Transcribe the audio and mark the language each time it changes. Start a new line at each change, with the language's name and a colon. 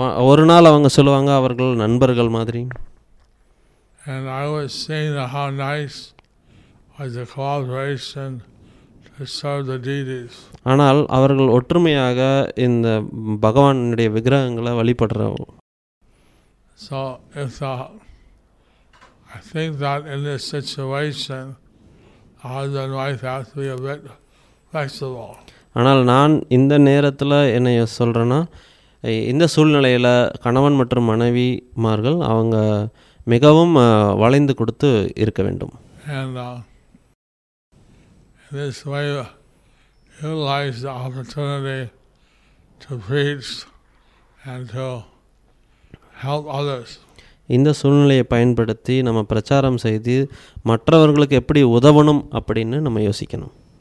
Tamil: ஒரு நாள் அவங்க சொல்லுவாங்க அவர்கள் நண்பர்கள் மாதிரி.
English: And I was saying how nice was the cooperation to serve the deities.
Tamil: ஆனால் அவர்கள் ஒற்றுமையாக இந்த பகவானுடைய விக்கிரகங்களை வழிபடுற.
English: So if I think that in this situation, husband and wife have to be a bit flexible.
Tamil: ஆனால் நான் இந்த நேரத்தில் என்னை சொல்கிறேன்னா, இந்த சூழ்நிலையில் கணவன் மற்றும் மனைவிமார்கள் அவங்க மிகவும் வளைந்து கொடுத்து இருக்க வேண்டும்.
English: And in this way, utilize the opportunity to preach and to help others.
Tamil: இந்த சூழ்நிலையை பயன்படுத்தி நம்ம பிரச்சாரம் செய்து மற்றவர்களுக்கு எப்படி உதவணும் அப்படின்னு நம்ம யோசிக்கணும்.